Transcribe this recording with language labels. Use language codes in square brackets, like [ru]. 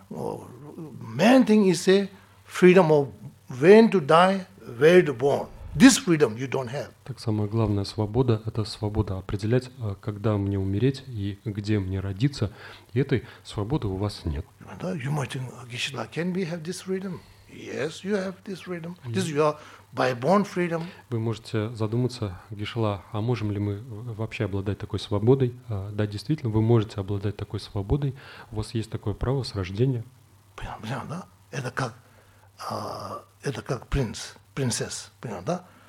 [en] Main thing is a freedom of when to die, where to born. This freedom you don't have. [ru] Так самая главная свобода – это свобода определять, когда мне умереть и где мне родиться. И этой свободы у вас нет. [en] You might think, Geshe-la, can we have this freedom? Yes, you have this freedom. This is your by born freedom. [ru] Вы можете задуматься, Гишла, а можем ли мы вообще обладать такой свободой? Да, действительно, вы можете обладать такой свободой. У вас есть такое право с рождения. Понятно, да? Это как принц, принцесса, понятно, да?